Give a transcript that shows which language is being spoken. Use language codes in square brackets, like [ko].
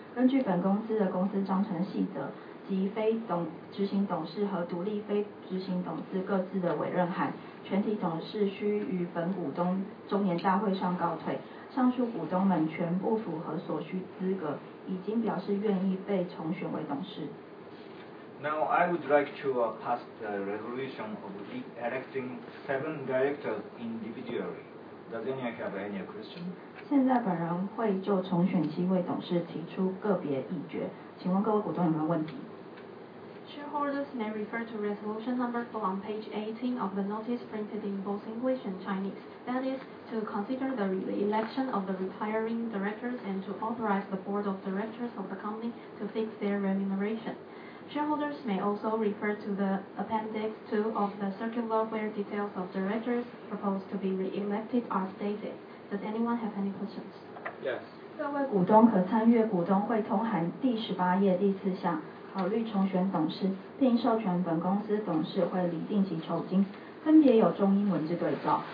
[zh] 根据本公司的公司章程细则及非执行董事和独立非执行董事各自的委任函，全体董事需于本股东周年大会上告退。上述股东们全部符合所需资格，已经表示愿意被重选为董事。 [en] Now I would like to pass the resolution of electing seven directors individually. Does anyone have any question? [zh] 现在本人会就重选七位董事提出个别议决，请问各位股东有没有问题 [en] shareholders may refer to resolution number 4 on page 18 of the notice printed in both English and Chinese. That is, to consider the election of the retiring directors and to authorize the board of directors of the company to fix their remuneration. Shareholders may also refer to the appendix 2 of the circular where details of directors proposed to be re-elected are stated. Does anyone have any questions? Yes. [zh] 各位股东可参阅股东会通函第十八页第四项，考虑重选董事，并授权本公司董事会拟定及酬金，分别有中英文字对照。